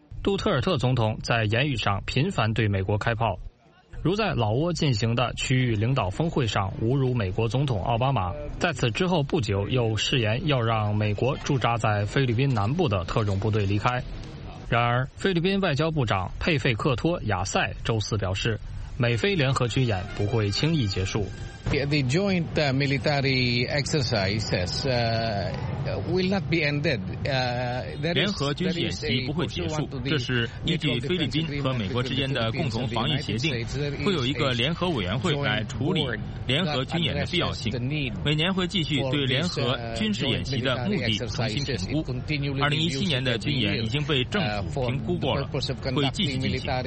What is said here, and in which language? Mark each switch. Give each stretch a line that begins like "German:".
Chinese: 杜特尔特总统在言语上频繁对美国开炮，如在老挝进行的区域领导峰会上侮辱美国总统奥巴马，在此之后不久又誓言要让美国驻扎在菲律宾南部的特种部队离开。然而菲律宾外交部长佩费克托·亚塞周四表示，美菲联合军演不会轻易结束。
English: The joint military exercises will not be ended.
Chinese: 联合军事演习不会结束，这是依据菲律宾和美国之间的共同防御协定，会有一个联合委员会来处理联合军演的必要性。每年会继续对联合军事演习的目的重新评估。 2017年的军演已经被政府评估过了，会继续进行。